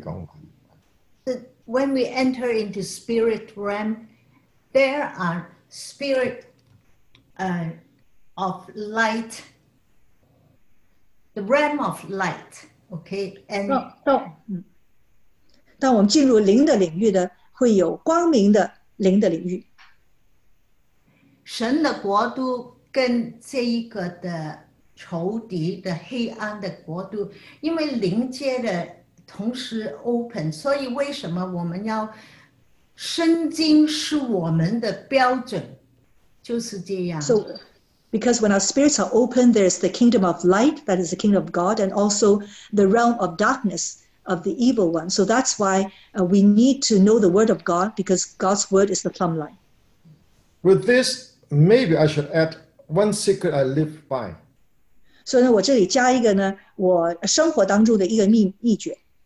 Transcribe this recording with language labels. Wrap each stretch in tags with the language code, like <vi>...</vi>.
<en>point is, when we enter into spirit realm, there are spirit of light, the realm of light, okay? And</en> <zh>当我们进入灵的领域的，会有光明的灵的领域。神的国度跟这一个的仇敌的黑暗的国度，因为灵界的同时 open， 所以为什么我们要圣经是我们的标准，就是这样。</zh> <en>So, because when our spirits are open, there is the kingdom of light, that is the kingdom of God, and also the realm of darkness of the evil one. So that's why we need to know the word of God, because God's word is the plumb line. With this, maybe I should add one secret I live by.</en> <zh>所以呢，我这里加一个呢，我生活当中的一个秘诀。</zh>